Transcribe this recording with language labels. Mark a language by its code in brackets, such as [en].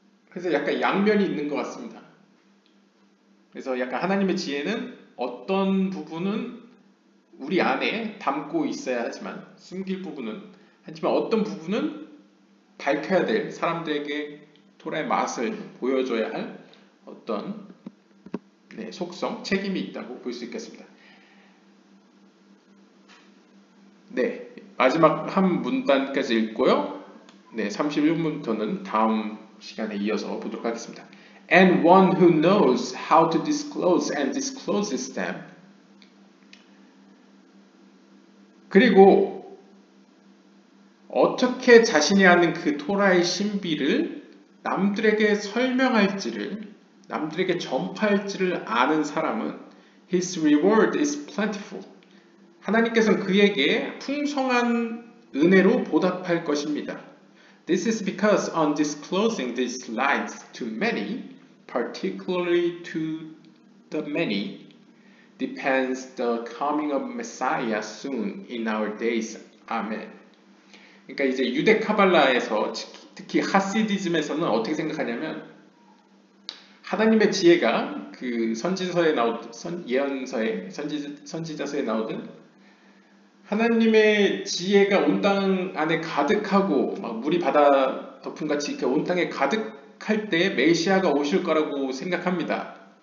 [ko] 그래서 약간 양면이 있는 것 같습니다. 그래서 약간 하나님의 지혜는 어떤 부분은 우리 안에 담고 있어야 하지만, 숨길 부분은, 하지만 어떤 부분은 밝혀야 될, 사람들에게 토라의 맛을 보여줘야 할 어떤 속성, 책임이 있다고 볼수 있겠습니다. 네, 마지막 한 문단까지 읽고요. 네, 31문부터는 다음 시간에 이어서 보도록 하겠습니다. [en] And one who knows how to disclose and discloses them. [ko] 그리고 어떻게 자신이 아는 그 토라의 신비를 남들에게 설명할지를, 남들에게 전파할지를 아는 사람은 [en] His reward is plentiful. [ko] 하나님께서는 그에게 풍성한 은혜로 보답할 것입니다. [en] This is because on disclosing these lights to many, particularly to the many, depends the coming of Messiah soon in our days. Amen. [ko] 그러니까 이제 유대 카발라에서 특히 하시디즘에서는 어떻게 생각하냐면 하나님의 지혜가 그 선지서에 나오 선 예언서에 선지자서에 나오든 하나님의 지혜가 온땅 안에 가득하고 막 물이 바다 덮음 같이 이렇게 온 땅에 가득할 때 메시아가 오실 거라고 생각합니다.